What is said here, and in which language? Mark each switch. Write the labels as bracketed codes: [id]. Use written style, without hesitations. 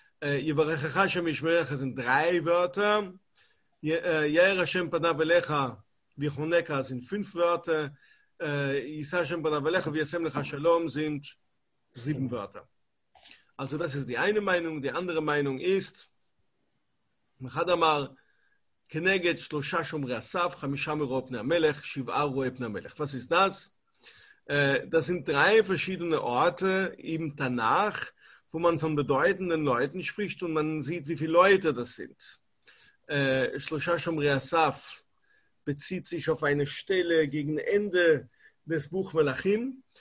[he] Yevarech Hashem Yishmerech [de] sind drei Wörter. [he] Yair Hashem Panav Elecha, Vichoneka [de] sind fünf Wörter. [he] Yisa Hashem Panav Elecha, Vyasem Lecha Shalom [de] sind 7 Wörter. Also das ist die eine Meinung. Die andere Meinung ist, Mechadamar, [he] כנגד שלושה שומרי הסף, חמישה מרואי פני המלך, שבעה רואי פני המלך. [de] Was ist das? Das sind drei verschiedene Orte im Tanach, wo man von bedeutenden Leuten spricht und man sieht, wie viele Leute das sind. [he] Shlosha Shomrei Asaf [de] bezieht sich auf eine Stelle gegen Ende des Buch Melachim.